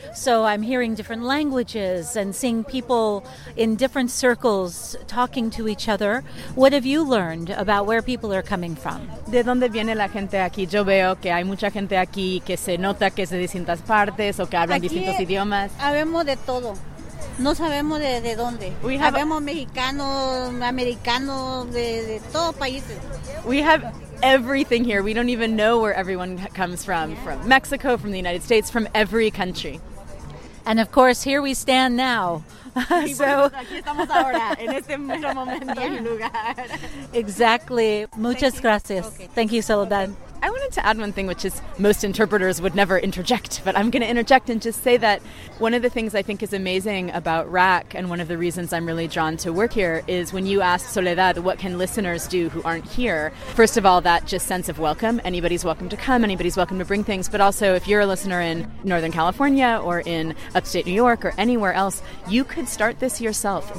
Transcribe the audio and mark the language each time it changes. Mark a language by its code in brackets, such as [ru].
[en] So I'm hearing different languages and seeing people in different circles talking to each other. What have you learned about where people are coming from? [es] ¿De dónde viene la gente aquí? Yo veo que hay mucha gente aquí que se nota que es de distintas partes o que hablan aquí distintos idiomas. Habemos de todo. No sabemos de dónde. Habemos mexicanos, americanos, de todos países. [en] We have everything here. We don't even know where everyone comes from. Yeah. From Mexico, from the United States, from every country. And of course, here we stand now. [es] So, aquí estamos ahora, en este momento y lugar. [en] Exactly. [es] Muchas gracias. [en] Thank you, Soledad. I wanted to add one thing, which is most interpreters would never interject, but I'm going to interject and just say that one of the things I think is amazing about RAC, and one of the reasons I'm really drawn to work here, is when you ask Soledad, what can listeners do who aren't here? First of all, that just sense of welcome. Anybody's welcome to come. Anybody's welcome to bring things. But also, if you're a listener in Northern California or in upstate New York or anywhere else, you could start this yourself.